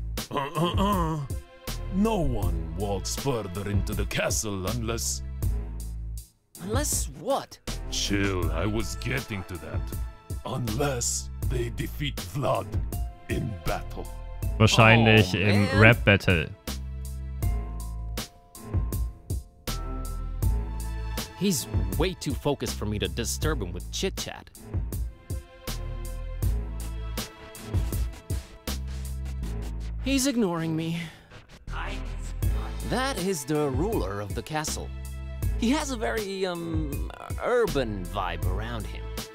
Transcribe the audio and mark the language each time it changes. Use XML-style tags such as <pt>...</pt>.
<en>No one walks further into the castle unless... Unless what? Chill, I was getting to that. Unless they defeat Vlad in battle.</en> <de>Wahrscheinlich im Rap Battle.</de> <en>He's way too focused for me to disturb him with chit-chat. He's ignoring me. That is the ruler of the castle. He has a very, urban vibe around him.</en>